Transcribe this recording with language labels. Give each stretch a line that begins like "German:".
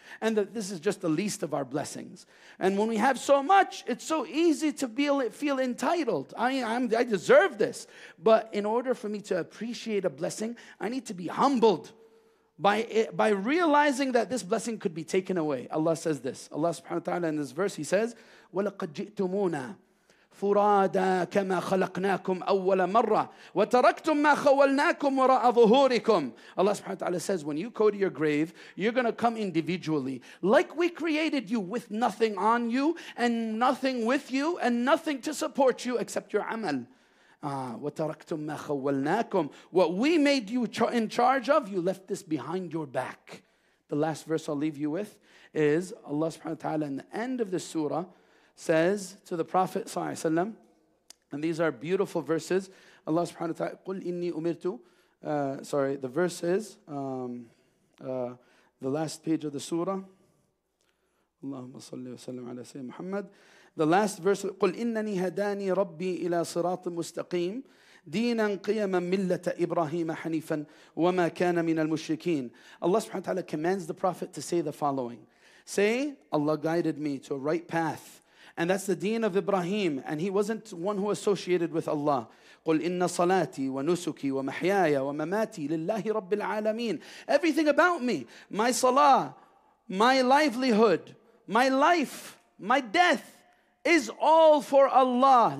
English: and that this is just the least of our blessings. And when we have so much, it's so easy to feel entitled. I deserve this. But in order for me to appreciate a blessing, I need to be humbled by realizing that this blessing could be taken away. Allah says this. Allah subhanahu wa ta'ala in this verse, He says,
Arabic: وَلَقَدْ جِئْتُمُونَا فرادا كما خلقناكم أول مرة وتركتم ما خولناكم وراء ظهوركم.
English: Allah subhanahu wa ta'ala says, when you go to your grave, you're going to come individually. Like we created you with nothing on you and nothing with you and nothing to support you except your amal.
Arabic: وتركتم ما خولناكم.
English: What we made you in charge of, you left this behind your back. The last verse I'll leave you with is Allah subhanahu wa ta'ala in the end of the surah says to the Prophet sallallahu alaihi wasallam, and these are beautiful verses. Allah subhanahu wa ta'ala,
Arabic: قُلْ إِنِّي أُمِرْتُ.
English: Sorry, the verse is the last page of the surah.
Arabic: اللهم صلِّ وسلم على سيدنا محمد.
English: The last verse,
Arabic: قُلْ إِنَّنِي هَدَانِي رَبِّي إِلَى صِرَاطٍ مُسْتَقِيمٍ دِينًا قِيَمًا مِلَّةَ إِبْرَاهِيمَ حَنِيفًا وَمَا كَانَ مِنَ الْمُشْرِكِينَ.
English: Allah subhanahu wa ta'ala commands the Prophet to say the following. Say, Allah guided me to a right path. And that's the deen of Ibrahim. And he wasn't one who associated with Allah.
Arabic: قُلْ إِنَّ صَلَاتِي وَنُسُكِي وَمَحْيَايَ وَمَمَاتِي لِلَّهِ رَبِّ الْعَالَمِينَ.
English: Everything about me, my salah, my livelihood, my life, my death, is all for Allah.